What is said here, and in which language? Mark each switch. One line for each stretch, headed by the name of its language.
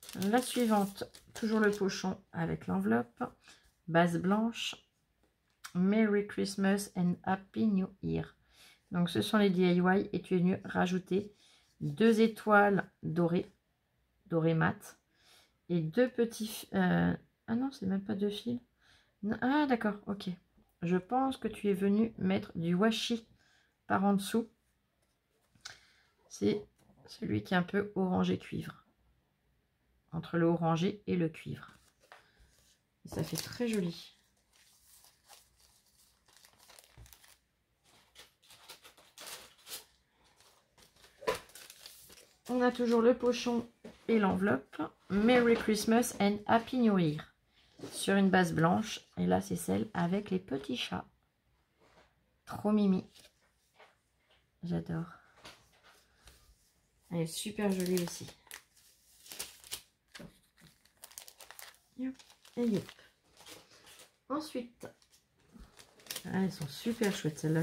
French: La suivante, toujours le pochon avec l'enveloppe, base blanche.
English: Merry Christmas and Happy New Year.
French: Donc ce sont les DIY et tu es venu rajouter deux étoiles dorées, dorées mat, et deux petits... ah non, c'est même pas deux fils. Ah d'accord, ok. Je pense que tu es venu mettre du washi par en dessous. C'est celui qui est un peu orangé cuivre. Entre le orangé et le cuivre. Et ça fait très joli. On a toujours le pochon et l'enveloppe.
English: Merry Christmas and Happy New Year.
French: Sur une base blanche. Et là, c'est celle avec les petits chats. Trop mimi. J'adore. Elle est super jolie aussi. Yep. Et yep. Ensuite, Ah, elles sont super chouettes, celles-là.